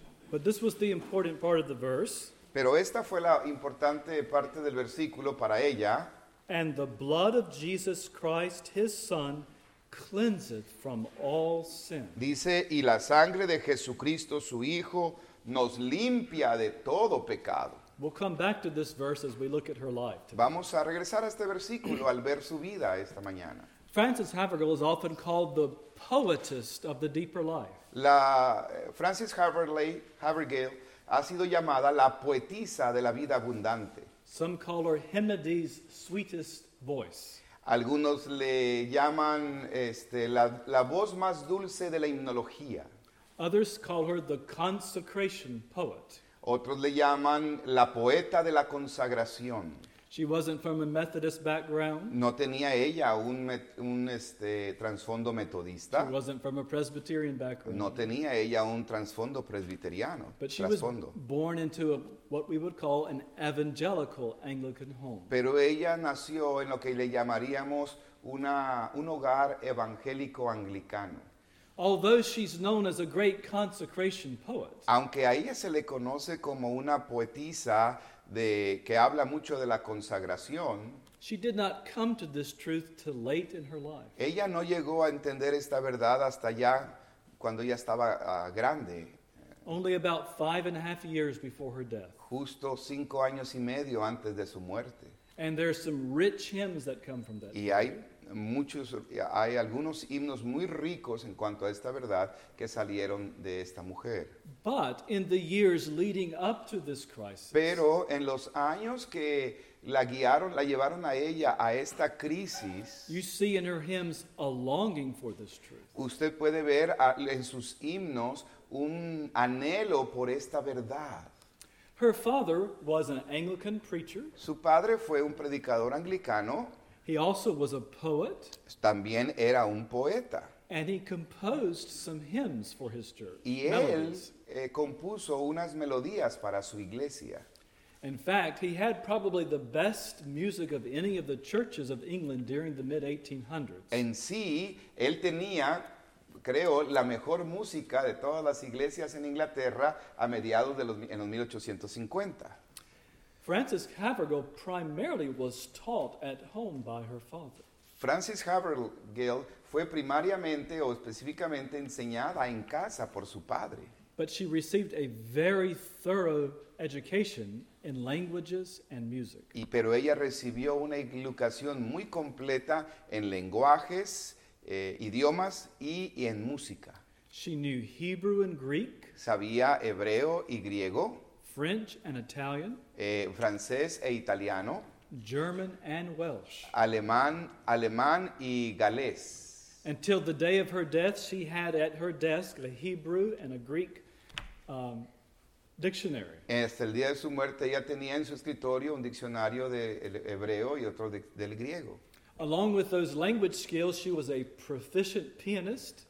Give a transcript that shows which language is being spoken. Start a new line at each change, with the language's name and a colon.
English: But this was the important part of the verse.
Spanish: Pero esta fue la importante parte del versículo para ella.
English: And the blood of Jesus Christ, his son, cleanseth from all sin.
Spanish: Dice, y la sangre de Jesucristo, su hijo, nos limpia de todo pecado.
English: We'll come back to this verse as we look at her life today.
Spanish: Vamos a regresar a este versículo al ver su vida esta mañana.
English: Francis Haverhill is often called the poetess of the deeper life.
Spanish: La Frances Havergal ha sido llamada la poetisa de la vida abundante.
English: Some call her Hemedy's sweetest voice.
Spanish: Algunos le llaman la voz más dulce de la himnología.
English: Others call her the consecration poet.
Spanish: Otros le llaman la poeta de la consagración.
English: She wasn't from a Methodist background.
Spanish: No tenía ella un trasfondo metodista.
English: She wasn't from a Presbyterian background.
Spanish: No tenía ella un trasfondo presbiteriano.
English: But she
Spanish: trasfondo.
English: Was born into what we would call an evangelical Anglican home.
Spanish: Pero ella nació en lo que le llamaríamos un hogar evangélico anglicano.
English: Although she's known as a great consecration poet.
Spanish: Aunque a ella se le conoce como una poetisa que habla mucho de la consagración.
English: She did not come to this truth till late in her life.
Spanish: Ella no llegó a entender esta verdad hasta ya cuando ya estaba grande.
English: Only about 5.5 years before her death.
Spanish: Justo 5 años y medio antes de su muerte.
English: And there are some rich hymns that come from that.
Spanish: Y hay muchos, hay algunos himnos muy ricos en cuanto a esta verdad que salieron de esta mujer.
English: But in the years leading up to this crisis,
Spanish: pero en los años que la guiaron, la llevaron a ella a esta crisis,
English: you see in her hymns a longing for this truth.
Spanish: Usted puede ver en sus himnos un anhelo por esta verdad.
English: Her father was an Anglican preacher.
Spanish: Su padre fue un predicador anglicano.
English: He also was a poet.
Spanish: También era un poeta.
English: And he composed some hymns for his church.
Spanish: Y él compuso unas melodías para su iglesia.
English: In fact, he had probably the best music of any of the churches of England during the mid-1800s.
Spanish: En sí, él tenía, creo, la mejor música de todas las iglesias en Inglaterra a mediados de los 1850.
English: Frances Havergal primarily was taught at home by her father.
Spanish: Frances Havergal fue primariamente o específicamente enseñada en casa por su padre.
English: But she received a very thorough education in languages and music.
Spanish: Y pero ella recibió una educación muy completa en lenguajes, idiomas y en música.
English: She knew Hebrew and Greek.
Spanish: Sabía hebreo y griego.
English: French and Italian,
Spanish: francés e italiano,
English: German and Welsh,
Spanish: alemán y galés.
English: Until the day of her death, she had at her desk a Hebrew and a Greek dictionary.
Spanish: Hasta el día de su muerte, ella tenía en su escritorio un diccionario de hebreo y otro del griego.
English: Along with those language skills, she was a proficient pianist.